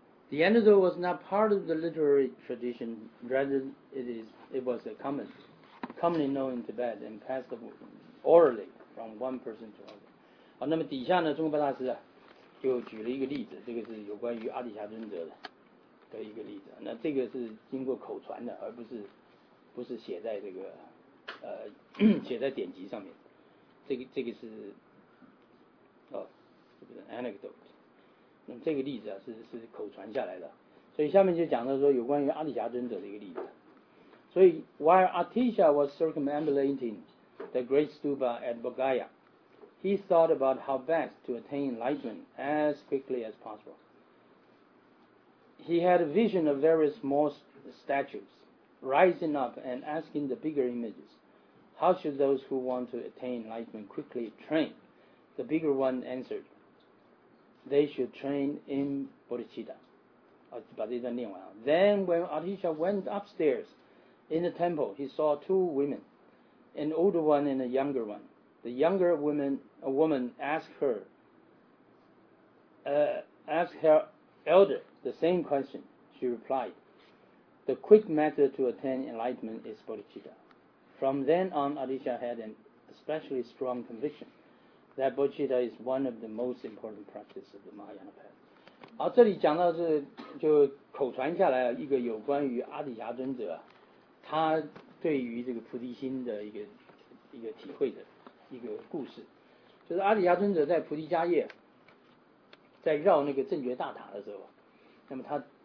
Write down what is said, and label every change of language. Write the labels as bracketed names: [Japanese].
[English] The anecdote was not part of the literary tradition, rather it was a commonly known in Tibet and passed orally from one person to another. [Chinese] 好，那么底下呢，中科大师啊就举了一个例子，这个是有关于阿底峡尊者的一个例子。那这个是经过口传的，而不是写在这个写在典籍上面，这个是这个 anecdote。那这个例子啊是口传下来的，所以下面就讲到说有关于阿底峡尊者的一个例子。所以 [English] while Atisha was circumambulating the great stupa at Bodhgaya, he thought about how best to attain enlightenment as quickly as possible. He had a vision of various small statuesrising up and asking the bigger images, how should those who want to attain enlightenment quickly train? The bigger one answered, they should train in bodhicitta. [Chinese] 把这段念完了。 [English] Then when Atisha went upstairs in the temple, he saw two women, an older one and a younger one. The younger woman, a woman, asked her elder the same question. She replied,The quick method to attain enlightenment is bodhicitta. From then on, Atisha had an especially strong conviction that bodhicitta is one of the most important practices of the Mahayana path. [Chinese] 好，这里讲到是就口传下来一个有关于阿底峡尊者，他对于这个菩提心的一个体会的一个故事，就是阿底峡尊者在菩提迦叶，在绕那个正觉大塔的时候，那么他。